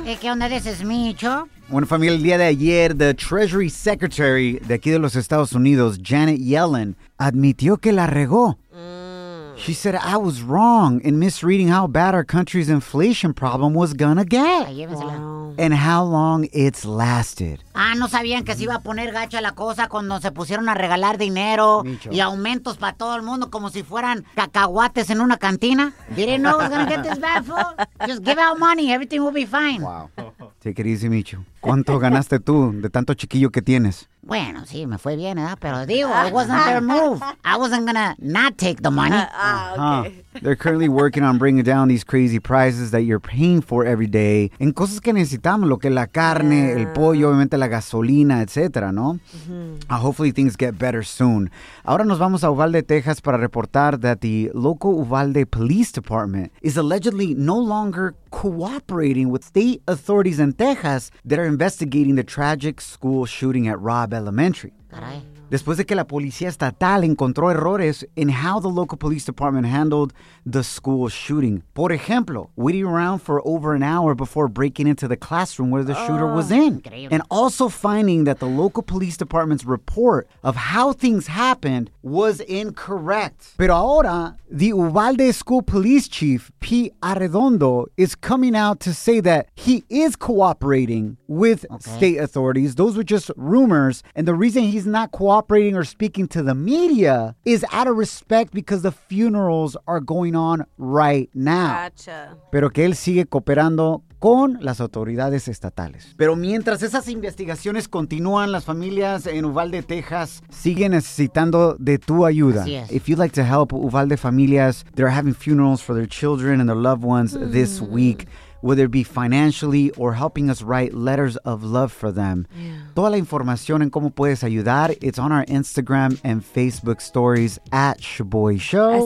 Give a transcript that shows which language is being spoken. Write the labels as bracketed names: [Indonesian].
[English] Hey, [Spanish] ¿qué onda? [English] This is Micho. [Spanish] Bueno, familia, el día de ayer, [English] the Treasury Secretary [Spanish] de aquí de los Estados Unidos, Janet Yellen, admitió que la regó. [English] She said, I was wrong in misreading how bad our country's inflation problem was gonna get. And how long it's lasted. [Spanish] Ah, no sabían que se iba a poner gacha la cosa cuando se pusieron a regalar dinero y aumentos para todo el mundo como si fueran cacahuates en una cantina. [English] Didn't know it was gonna get this bad, fool. Just give out money, everything will be fine. [Spanish] Wow. Sí, querido Micho. ¿Cuánto ganaste tú de tanto chiquillo que tienes? Bueno, sí, me fue bien, ¿verdad? Pero digo, [English] it wasn't their move. I wasn't gonna not take the money. They're currently working on bringing down these crazy prices that you're paying for every day. [Spanish] En cosas que necesitamos, lo que la carne, el pollo, obviamente la gasolina, etcétera, ¿no? [English] Mm-hmm. Hopefully things get better soon. [Spanish] Ahora nos vamos a Uvalde, Texas para reportar [English] that the local Uvalde Police Department is allegedly no longer cooperating with state authorities in Texas that are investigating the tragic school shooting at Robb Elementary. [Spanish] Caray. Después de que la policía estatal encontró errores [English] in how the local police department handled the school shooting. [Spanish] Por ejemplo, [English] waiting around for over an hour before breaking into the classroom where the shooter was in. [Spanish] Increíble. [English] And also finding that the local police department's report of how things happened was incorrect. [Spanish] Pero ahora, [English] the Uvalde School Police Chief, Pete Arredondo, is coming out to say that he is cooperating with state authorities. Those were just rumors. And the reason he's not cooperating or speaking to the media is out of respect because the funerals are going on right now. Gotcha. [Spanish] Pero que él sigue cooperando con las autoridades estatales. Pero mientras esas investigaciones continúan, las familias en Uvalde, Texas, siguen necesitando de tu ayuda. [English] If you'd like to help Uvalde familias, they're having funerals for their children and their loved ones this week. Whether it be financially or helping us write letters of love for them. Yeah. [Spanish] Toda la información en cómo puedes ayudar, [English] it's on our Instagram and Facebook stories at Shaboy Show.